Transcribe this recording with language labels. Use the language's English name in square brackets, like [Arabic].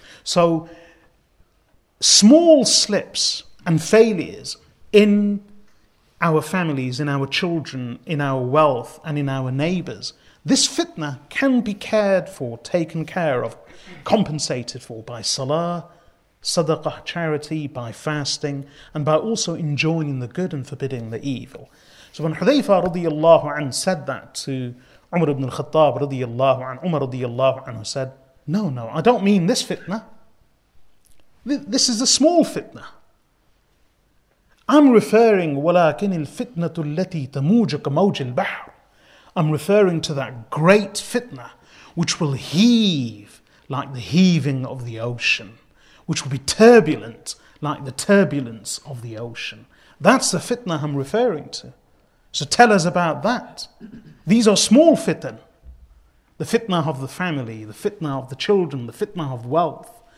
[English] So, small slips and failures in our families, in our children, in our wealth, and in our neighbours, this fitna can be cared for, taken care of, compensated for by salah, sadaqah, charity, by fasting, and by also enjoining the good and forbidding the evil. So when Hudhayfa radiallahu anhu said that to Umar ibn al-Khattab radiallahu anhu, Umar radiallahu anhu said, no, I don't mean this fitna. This is a small fitna. I'm referring, [Arabic] ولكن الفتنة التي تموج كموج البحر. [English] I'm referring to that great fitna which will heave like the heaving of the ocean, which will be turbulent like the turbulence of the ocean. That's the fitna I'm referring to. So tell us about that. These are small fitna. The fitna of the family, the fitna of the children, the fitna of wealth.